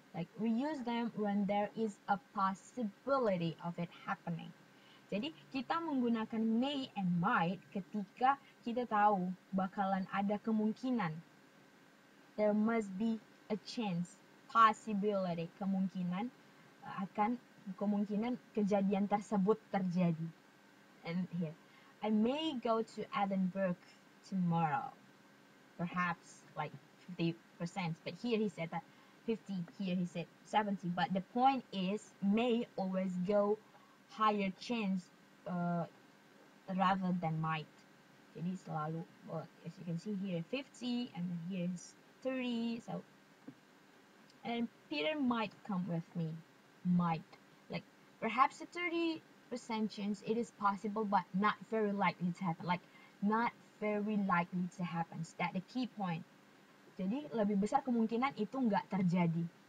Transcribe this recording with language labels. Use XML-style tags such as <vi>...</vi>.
<en>Like, we use them when there is a possibility of it happening.</en> <id>Jadi, kita menggunakan may and might ketika kita tahu bakalan ada kemungkinan.</id> <en>There must be a chance, possibility,</en> <id>kemungkinan akan kemungkinan kejadian tersebut terjadi.</id> <en>And here, I may go to Edinburgh tomorrow, perhaps like 50%, but here he said that 50, here he said 70, but the point is may always go higher chance rather than might.</en> <id>Jadi selalu,</id> <en>well, as you can see here, 50, and here is 30, so, and Peter might come with me, might, like, perhaps a 30% chance, it is possible, but not very likely to happen, like, not very likely to happen, that the key point.</en> <id>Jadi, lebih besar kemungkinan itu nggak terjadi.</id>